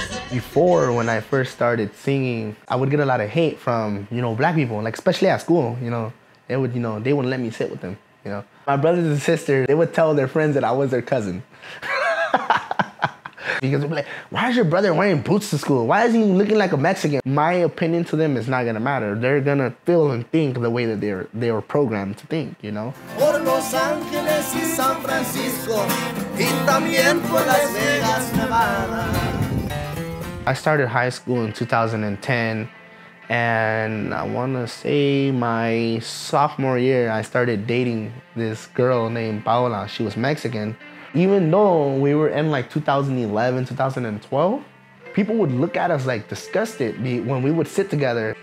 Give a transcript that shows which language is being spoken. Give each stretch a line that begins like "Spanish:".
English: Before, when I first started singing, I would get a lot of hate from, you know, black people, like especially at school, you know, they would, you know, they wouldn't let me sit with them, you know. My brothers and sisters, they would tell their friends that I was their cousin. Because they'd be like, why is your brother wearing boots to school? Why is he looking like a Mexican? My opinion to them is not gonna matter. They're gonna feel and think the way that they were programmed to think, you know.
Spanish: Por Los Angeles y San Francisco, y también por Las Vegas, Nevada.
English: I started high school in 2010, and I wanna say my sophomore year, I started dating this girl named Paola. She was Mexican. Even though we were in like 2011, 2012, people would look at us like disgusted when we would sit together.